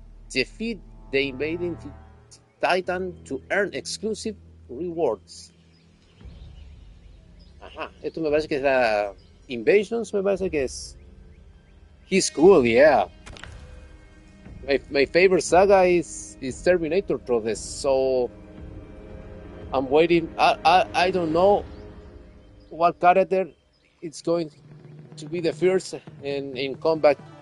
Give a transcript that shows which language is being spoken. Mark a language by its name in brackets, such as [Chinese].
[English] Defeat the invading Titan to earn exclusive rewards. [Spanish] Ajá, esto me parece que es la Invasions, me parece que es. [English] He's cool, yeah. My favorite saga is Terminator Protest, so I'm waiting. I don't know what character it's going to be the first in combat.